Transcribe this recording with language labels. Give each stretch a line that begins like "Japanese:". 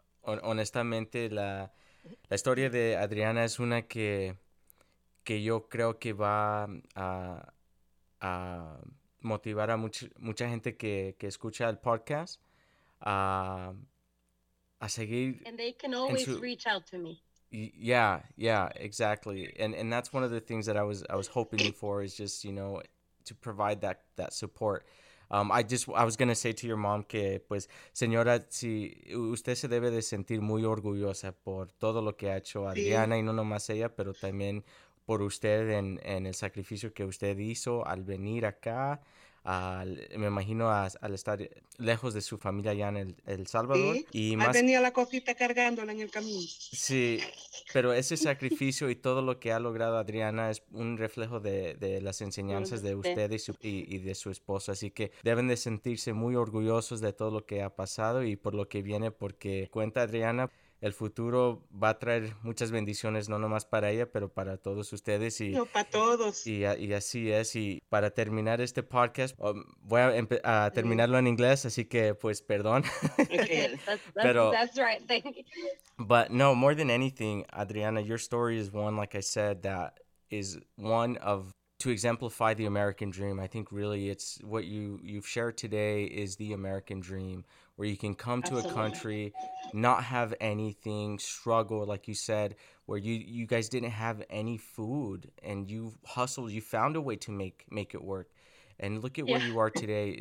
Spanish: Honestamente, la historia de Adriana es una que yo creo que va a motivar a mucha gente que escucha el podcast a seguir.
English: And they can always reach out to me. Yeah, exactly. And that's one of the things that I was hoping for, is just, you know, to provide that support. I was going to say to your mom
Spanish: que, pues, señora, si usted se debe de sentir muy orgullosa por todo lo que ha hecho Adriana, sí. Y no nomás ella, pero también por usted en el sacrificio que usted hizo al venir acá, me imagino al estar lejos de su familia allá en El Salvador. Sí, y más, tenía la cosita cargándola en el camino. Sí, pero ese sacrificio y todo lo que ha logrado Adriana es un reflejo de las enseñanzas de usted y de su esposo. Así que deben de sentirse muy orgullosos de todo lo que ha pasado y por lo que viene, porque cuenta Adriana... El futuro va a traer muchas bendiciones, no nomás para ella, pero para todos ustedes. Y, no, para todos. Y así es. Y para terminar este podcast, voy a terminarlo en inglés, así que, pues, perdón.
English: Okay, that's right. Thank you. But no, more than anything, Adriana, your story is one, like I said, that is one of, to exemplify the American dream. I think really it's what you've shared today is the American dream. Where you can come to Absolutely. A country, not have anything, struggle, like you said, where you guys didn't have any food and you hustled, you found a way to make it work. And look at yeah. where you are today.